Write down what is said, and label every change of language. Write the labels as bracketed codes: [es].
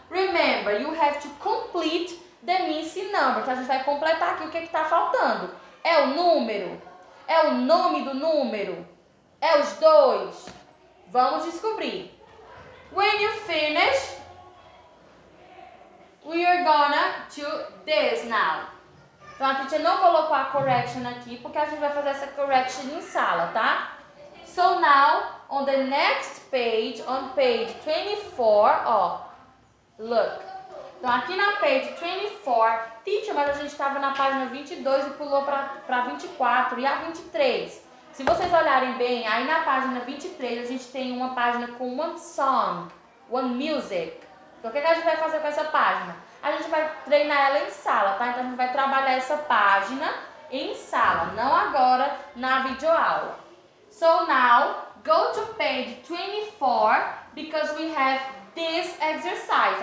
[en] Remember, you have to complete the missing number. [pt] Então, a gente vai completar aqui o que está faltando. É o número? É o nome do número? É os dois? Vamos descobrir. [en] When you finish, we are gonna do this now. [pt] Então, a gente não colocou a correction aqui, porque a gente vai fazer essa correction em sala, tá? [en] So now, on the next page, on page 24, ó. Look. [pt] Então, aqui na page 24, teacher, mas a gente estava na página 22 e pulou para 24 e a 23. Se vocês olharem bem, aí na página 23 a gente tem uma página com [en] one song, one music. [pt] Então, o que a gente vai fazer com essa página? A gente vai treinar ela em sala, tá? Então, a gente vai trabalhar essa página em sala, não agora na videoaula. [en] So, now, go to page 24, because we have this exercise.